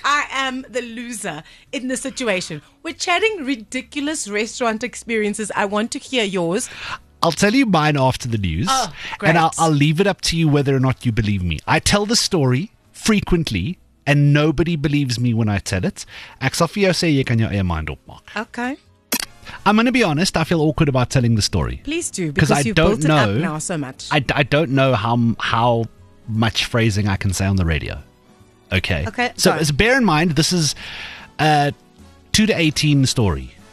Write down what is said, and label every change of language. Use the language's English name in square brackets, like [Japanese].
[English] I am the loser in the situation. We're chatting ridiculous restaurant experiences. I want to hear yours. I'll tell you mine after the news. Oh, great. And I'll leave it up to you whether or not you believe me. I tell the story frequently. And nobody believes me when I tell it. [Afrikaans] Ek sal vir jou sê, jy kan jou eie mind opmaak. [English] Okay. I'm going to be honest, I feel awkward about telling the story. Please do, because you've built it up now so much. I don't know how much phrasing I can say on the radio. Okay. Okay. So bear in mind, this is a 2 to 18 story.